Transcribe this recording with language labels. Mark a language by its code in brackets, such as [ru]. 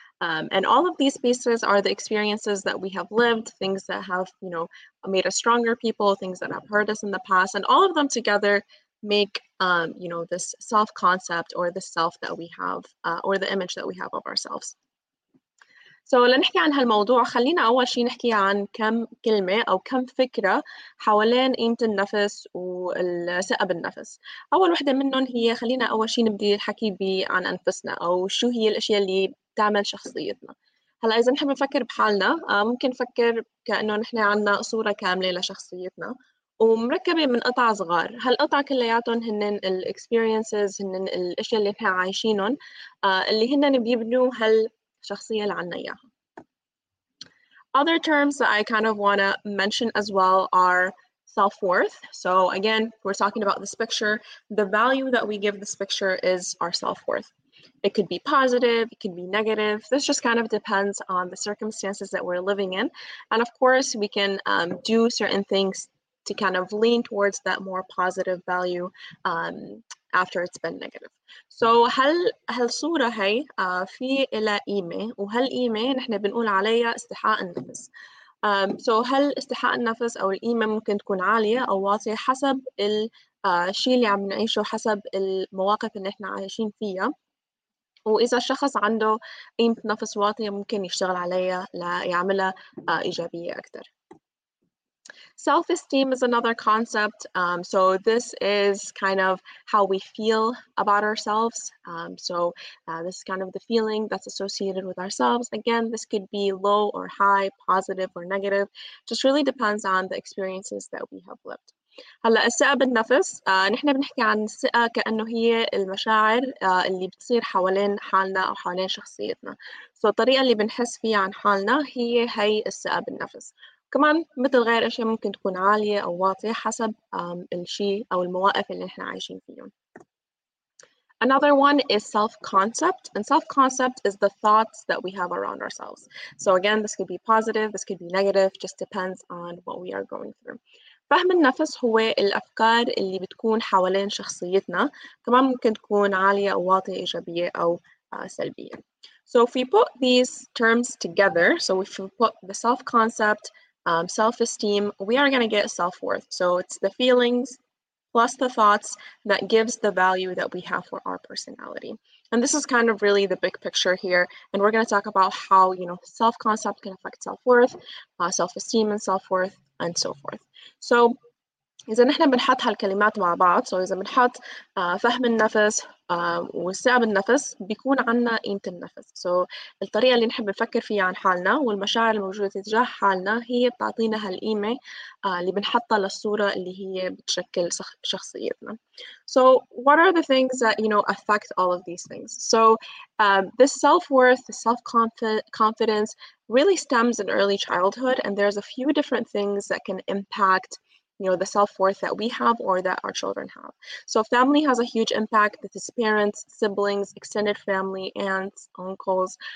[en] And all of these pieces are the experiences that we have lived, things that have, you know, made us stronger people, things that have hurt us in the past, and all of them together make, you know, this self-concept or the self that we have, or the image that we have of ourselves. [ar] So لنحكي عن هالموضوع خلينا أول شيء نحكي عن كم كلمة أو كم فكرة حوالين قيمة النفس والثقة بالنفس. أول واحدة منهم هي خلينا أول شيء نبدي الحكي عن أنفسنا أو شو هي الأشياء اللي تعمل شخصيتنا. هلا إذا نحب نفكر بحالنا ممكن نفكر كأنه نحن عنا صورة كاملة لشخصيتنا ومركبة من قطع صغار. هالقطع كلياتهم هنن ال experiences هنن الأشياء اللي نحن عايشينهم اللي هنن بيبنوا هال شخصية اللي عنا إياها. [en] Other terms that I kind of want to mention as well are self-worth. So again, we're talking about this picture. The value that we give this picture is our self-worth. It could be positive, it could be negative. This just kind of depends on the circumstances that we're living in. And of course, we can do certain things to kind of lean towards that more positive value after it's been negative. [ar] So هل صورة هاي في إلى قيمة وهل قيمة نحن بنقول عليها استحاء النفس. So هل استحاء النفس أو القيمة ممكن تكون عالية أو واطية حسب الشيء اللي عم نعيشه حسب المواقف اللي نحن عايشين فيها. وإذا الشخص عنده قيمة نفس واطية ممكن يشتغل عليها ليعملها إيجابية أكثر. [en] Self-esteem is another concept. So this is kind of how we feel about ourselves. So this is kind of the feeling that's associated with ourselves. Again, this could be low or high, positive or negative. Just really depends on the experiences that we have lived. [ar] هلا الثقة بالنفس نحن بنحكي عن الثقة كأنه هي المشاعر اللي بتصير حوالين حالنا أو حوالين شخصيتنا. So الطريقة اللي بنحس فيها عن حالنا هي هي الثقة بالنفس. كمان مثل غير أشياء ممكن تكون عالية أو واطية حسب الشيء أو المواقف اللي إحنا عايشين فيهم. [en] Another one is self-concept. And self-concept is the thoughts that we have around ourselves. So again, this could be positive, this could be negative, just depends on what we are going through. [ar] فهم النفس هو الأفكار اللي بتكون حوالين شخصيتنا. كمان ممكن تكون عالية أو واطية إيجابية أو سلبية. [en] So if we put these terms together, so if we put the self-concept, self-esteem, we are going to get self-worth. So it's the feelings plus the thoughts that gives the value that we have for our personality. And this is kind of really the big picture here. And we're going to talk about how, you know, self-concept can affect self-worth, self-esteem and self-worth, and so forth. [ar] So إذا نحن بنحط هالكلمات مع بعض, so إذا بنحط فهم النفس, والساعة بالنفس بيكون عنا قيمة النفس. So الطريقة اللي نحب نفكر فيها عن حالنا والمشاعر الموجودة تجاه حالنا هي بتعطينا هالقيمة اللي بنحطها للصورة اللي هي بتشكل شخصيتنا. [en] So what are the things that you know affect all of these things? So this self-worth, the self-confidence really stems in early childhood, and there's a few different things that can impact you know, the self-worth that we have or that our children have. So family has a huge impact. This is parents, siblings, extended family, aunts, uncles.